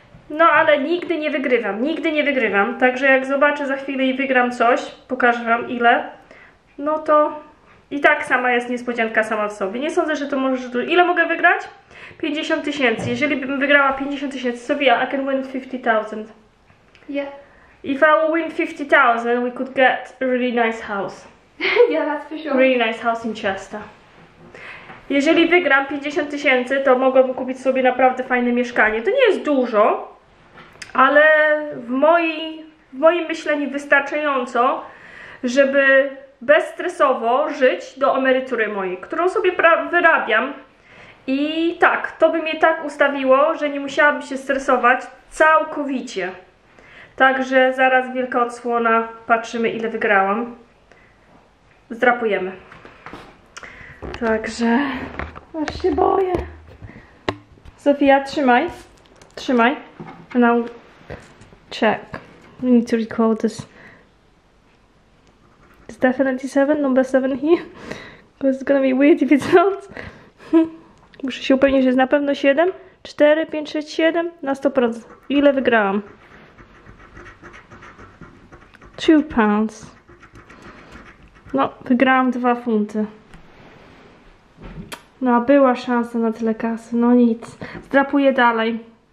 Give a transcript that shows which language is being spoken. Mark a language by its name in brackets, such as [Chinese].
[Polish] No, ale nigdy nie wygrywam, nigdy nie wygrywam. Także jak zobaczę za chwilę i wygram coś, pokażę wam ile, no to i tak sama jest niespodzianka sama w sobie. Nie sądzę, że to może. Ile mogę wygrać? 50 tysięcy. Jeżeli bym wygrała 50 tysięcy, Sofia, [English] I can win 50,000. Yeah. If I will win 50,000, we could get a really nice house. Yeah, that's for sure. Really nice house in Chester. [Polish] Jeżeli wygram 50 tysięcy, to mogłabym kupić sobie naprawdę fajne mieszkanie. To nie jest dużo, ale w moim myśleniu wystarczająco, żeby bezstresowo żyć do emerytury mojej, którą sobie wyrabiam. I tak, to by mnie tak ustawiło, że nie musiałabym się stresować całkowicie. Także zaraz wielka odsłona, patrzymy ile wygrałam. Zdrapujemy. Także, aż się boję. Sofia, trzymaj. Trzymaj. [English] Now, check. We need to record this. It's definitely 7, number 7 here. Because it's gonna be weird if it's not. [Polish] Muszę się upewnić, że jest na pewno 7. 4, 5, 6, 7. Na 100%. Ile wygrałam? £2. No, wygrałam 2 funty. No, a była szansa na tyle kasy. No nic. Zdrapuję dalej.